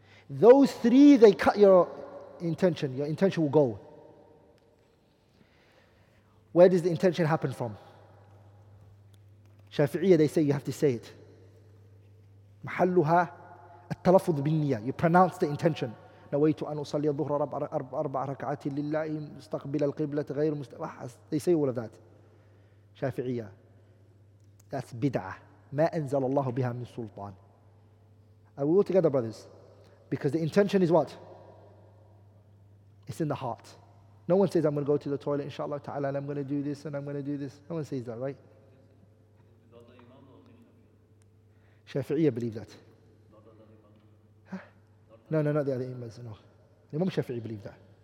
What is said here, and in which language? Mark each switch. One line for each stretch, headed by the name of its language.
English: Those three, they cut your intention. Your intention will go. Where does the intention happen from? Shafi'iyah, they say you have to say it.
Arabic: محلها التلفظ بالنية.
English: You pronounce the intention.
Arabic: نويت أن أصلي الظهر أربع ركعات لله مستقبل القبلة غير مستقبل.
English: They say all of that. شافعية. That's بدعة.
Arabic: ما أنزل الله بها من سلطان.
English: Are we all together, brothers? Because the intention is what? It's in the heart. No one says, I'm going to go to the toilet, inshallah ta'ala, and I'm going to do this, and I'm going to do this. No one says that, right? Shafi'iyah believe that. Huh? No, not the other imams. No. Imam Shafi'i believe that.